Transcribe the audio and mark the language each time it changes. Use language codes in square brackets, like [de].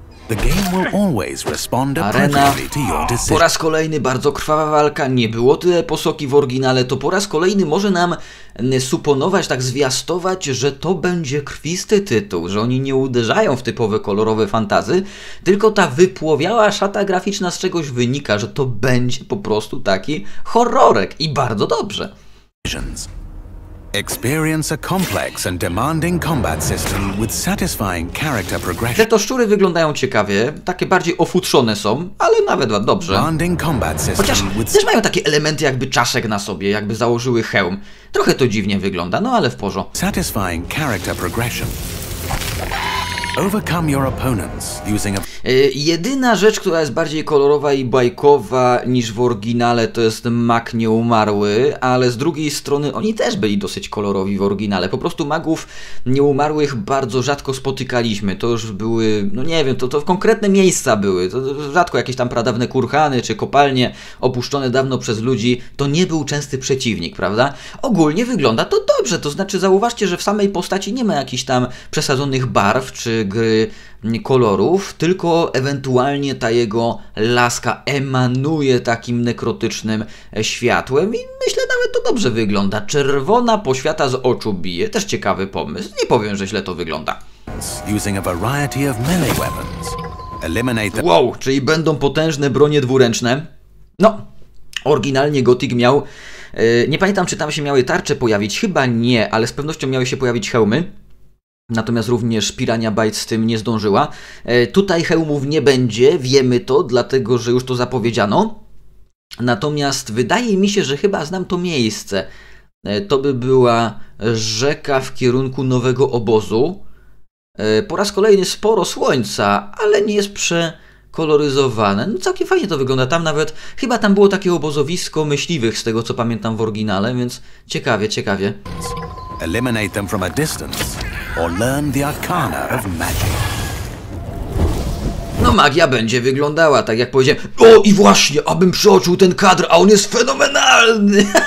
[en] The game will always respond appropriately to your decision. [pl] Po raz kolejny bardzo krwawa walka, nie było tyle posoki w oryginale, to po raz kolejny może nam suponować, tak zwiastować, że to będzie krwisty tytuł, że oni nie uderzają w typowe kolorowe fantazy, tylko ta wypłowiała szata graficzna z czegoś wynika, że to będzie po prostu taki horrorek i bardzo dobrze. [en] Experience a complex and demanding combat system with satisfying character progression. [pl] Te to szczury wyglądają ciekawie, takie bardziej ofutrzone są, ale nawet dobrze. Chociaż też mają takie elementy jakby czaszek na sobie, jakby założyły hełm. Trochę to dziwnie wygląda, no ale w porządku. [en] Satisfying character progression. Overcome your opponents using a... [pl] jedyna rzecz, która jest bardziej kolorowa i bajkowa niż w oryginale, to jest mag nieumarły, ale z drugiej strony oni też byli dosyć kolorowi w oryginale. Po prostu magów nieumarłych bardzo rzadko spotykaliśmy. To już były, no nie wiem, to konkretne miejsca były. To rzadko jakieś tam pradawne kurhany czy kopalnie opuszczone dawno przez ludzi. To nie był częsty przeciwnik, prawda? Ogólnie wygląda to dobrze. To znaczy zauważcie, że w samej postaci nie ma jakichś tam przesadzonych barw czy gry kolorów, tylko ewentualnie ta jego laska emanuje takim nekrotycznym światłem i myślę nawet to dobrze wygląda. Czerwona poświata z oczu bije. Też ciekawy pomysł. Nie powiem, że źle to wygląda. [en] Using a variety of melee weapons. Eliminate the... [pl] Wow, czyli będą potężne bronie dwuręczne. No, oryginalnie Gothic miał... nie pamiętam, czy tam się miały tarcze pojawić. Chyba nie, ale z pewnością miały się pojawić hełmy. Natomiast również Piranha Bytes z tym nie zdążyła. Tutaj hełmów nie będzie, wiemy to, dlatego że już to zapowiedziano. Natomiast wydaje mi się, że chyba znam to miejsce. To by była rzeka w kierunku nowego obozu. Po raz kolejny sporo słońca, ale nie jest prze, koloryzowane. No całkiem fajnie to wygląda. Tam nawet, chyba tam było takie obozowisko myśliwych, z tego co pamiętam w oryginale, więc ciekawie, ciekawie. [en] Eliminate them from a distance or learn the arcana of magic. [pl] No magia będzie wyglądała, tak jak powiedziałem. O i właśnie, abym przeoczył ten kadr, a on jest fenomenalny.